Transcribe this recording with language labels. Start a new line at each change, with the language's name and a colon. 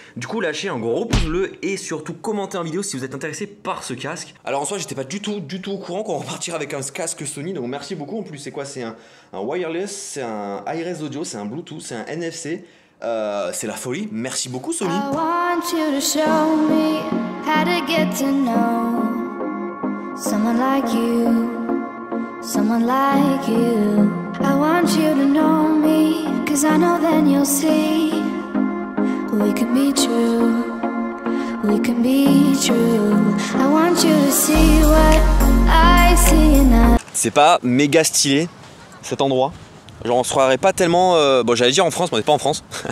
French: Du coup lâchez un gros pouce bleu et surtout commentez en vidéo si vous êtes intéressé par ce casque. Alors en soi j'étais pas du tout au courant qu'on repartirait avec un casque Sony, donc merci beaucoup. En plus c'est quoi, c'est un wireless, c'est un iRes Audio, c'est un Bluetooth, c'est un NFC, c'est la folie, merci beaucoup Sony.
English: I want you to show me how to get to know someone like you, someone like you. I want you to know me, 'cause I know then you'll see. We can be true, we can be true. I want you to see what I see in us.
French: C'est pas méga stylé cet endroit. Genre on se croirait pas tellement. Bon j'allais dire en France, mais on est pas en France.